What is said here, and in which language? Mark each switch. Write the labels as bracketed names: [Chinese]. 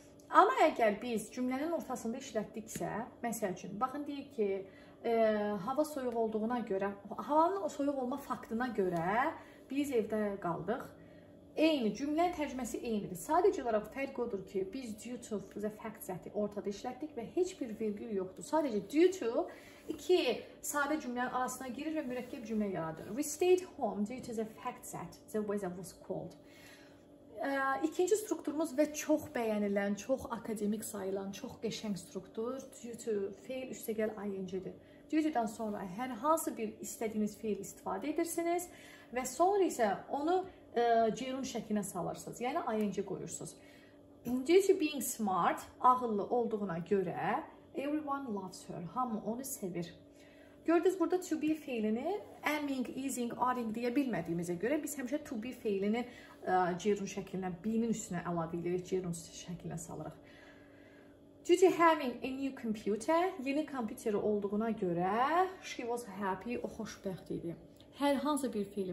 [Azerbaijani] Amma əgər biz cümlənin ortasında işlətdiksə, məsəl üçün, baxın deyir ki, hava soyuq olduğuna görə, havanın soyuq olma faktına görə biz evdə qaldıq. Eyni, cümlənin tərcüməsi eynidir. Sadəcə olaraq fərq odur ki, biz due to the fact that ortada işlətdik və heç bir virgül yoxdur. Sadəcə due to iki sadə cümlənin arasına girir və mürəkkəb cümlə yaradır. [English] We stayed home due to the fact that the weather was cold. [Azerbaijani] İkinci strukturumuz və çox bəyənilən, çox akademik sayılan, çox qəşəng struktur due to fail üstəgəl ing-dir. Due-dən sonra hər hansı bir istədiyiniz fail istifadə edirsiniz və sonra isə onu gerund şəklinə salırsınız, yəni ing qoyursunuz. [English] Due to being smart, [Azerbaijani] ağıllı olduğuna görə [English] everyone loves her, [Azerbaijani] hamı onu sevir. Gördünüz burada to be feilini aming, easing, aring deyə bilmədiyimizə görə biz həmişə to be feilini gerund şəklinə, being-in üstünə əlavə edirik, gerund şəklinə salırıq. [English] Due to having a new computer, [Azerbaijani] yeni kompüteri olduğuna görə [English] she was happy, [Azerbaijani] o xoşbəxt idi. Hər hansı bir fiili.